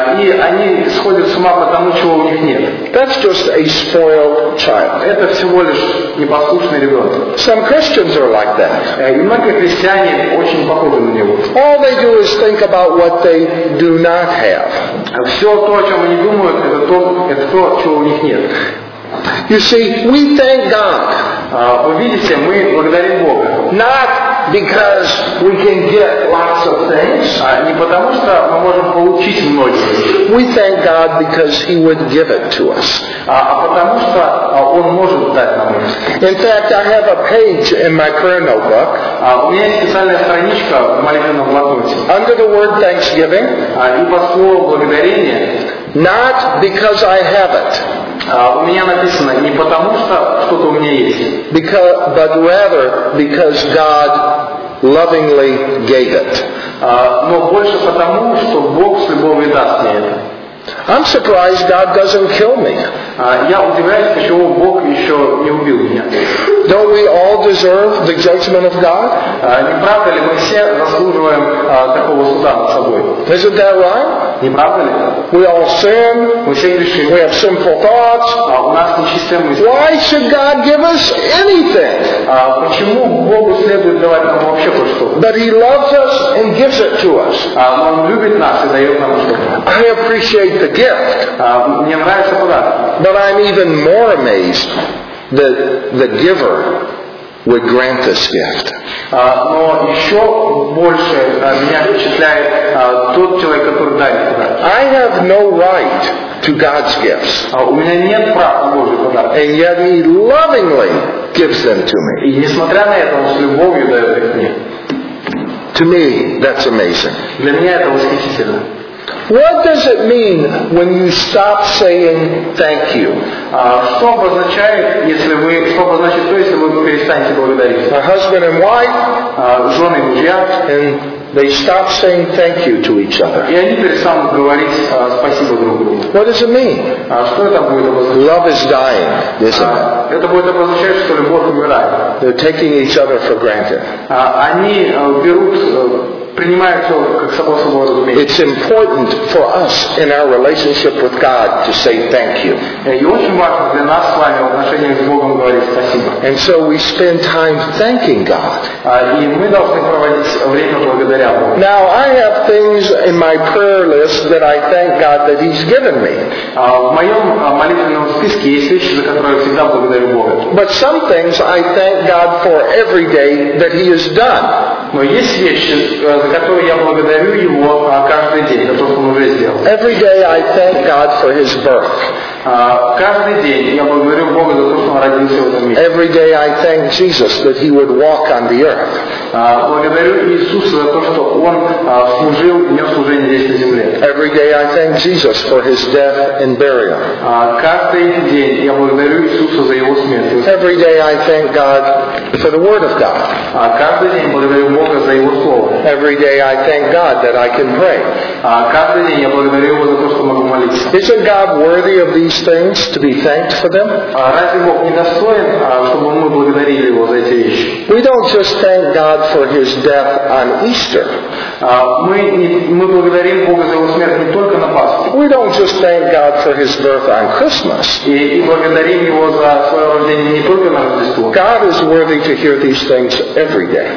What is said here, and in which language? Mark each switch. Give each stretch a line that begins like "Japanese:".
Russian: и они сходят с ума потому, чего у них нет.
English: That's just a spoiled child.
Russian: Это всего лишь непослушный ребенок.
English: Some Christians are like that.
Russian: И многие христиане очень похожи на него.
English: All they do is think about what they do not have.
Russian: Все то, о чем они думают, это то, чего у них нет.
English: You see, we thank God.
Russian: Вы видите, мы благодарим Бога.
English: Not because we can get lots of things.
Russian: Не потому что мы можем получить многие.
English: We thank God because He would give it to us.
Russian: А потому что Он может дать нам это.
English: In fact, I have a page in my current notebook.
Russian: У меня есть специальная страничка в молитвенном блокноте.
English: Under the word Thanksgiving.
Russian: И по слову благодарение.
English: Not because I have it.
Russian: У меня написано не потому что что-то у меня есть.
English: Because, but rather because God lovingly gave it.
Russian: Но больше потому что Бог с любовью даст мне это.
English: I'm surprised God doesn't kill me.
Russian: Я удивляюсь, почему Бог еще не убил меня.
English: Don't we all deserve the judgment of God?
Russian: Не правда ли мы все заслуживаем такого суда над собой?
English: Isn't that right?
Russian: Не правда ли?
English: We all sin.
Russian: Мы все грешим.
English: We have sinful thoughts.
Russian: У нас нечистые мысли.
English: Why should God give us anything?
Russian: Почему Богу следует давать нам вообще что-то?
English: But He loves us and gives it to us.
Russian: Он любит нас и дает нам что-то.
English: I appreciate the gift.
Russian: Мне нравится подарок.
English: But I'm even more amazed that the giver would grant this gift.
Russian: Но еще больше меня впечатляет тот человек, который дарит подарок.
English: I have no right to God's gifts.
Russian: У меня нет прав на Божий подарок.
English: And yet He lovingly gives them to me.
Russian: И несмотря на это, Он с любовью дает их мне.
English: To me, that's amazing.
Russian: Для меня это восхитительно.
English: What does it mean when you stop saying thank you?
Russian: Что обозначает, если вы, что обозначает то, если вы перестанете благодарить?
English: A husband and wife,
Russian: жены и мужья,
English: and they stop saying thank you to each other.
Russian: И они перестанут говорить спасибо друг другу.
English: What does it mean?
Russian: Что это будет обозначать?
English: Love is dying, isn't it?
Russian: Это будет обозначать, что любовь умирает.
English: They're taking each other for granted.
Russian: Они берут
English: It's important for us in our relationship with God to say thank you. And so we spend time thanking God. Now I have things in my prayer list that I thank God that He's given me. But some things I thank God for every day that He has done.
Russian: Но есть вещи, за которые я благодарю Его каждый день, за то, что Он уже сделал.
English: Every day I thank God for His birth.
Russian: Каждый день я благодарю Бога за то, что Он родился в этом мире.
English: Every day I thank Jesus that He would walk on the earth.
Russian: Благодарю Иисуса за то, что Он служил, нес служение здесь на земле.
English: Every day I thank Jesus for His death and burial.
Russian: Каждый день я благодарю Иисуса за Его смерть.
English: Every day I thank God for the Word of God.
Russian: Каждый день благодарю Бога за Его слово.
English: Every day I thank God that I can pray.
Russian: Каждый день я благодарю Его за то, что могу молиться.
English: Isn't God worthy of these things to be thanked for them?
Russian: Разве Бог не достоин, чтобы мы благодарили Его за эти вещи?
English: We don't just thank God for His death on Easter.
Russian: Мы благодарим Бога за Его смерть не только на Пасху.
English: We don't just thank God for His birth on Christmas.
Russian: И благодарим Его за Свое рождение не только на Рождество.
English: God is worthy to hear these things every day.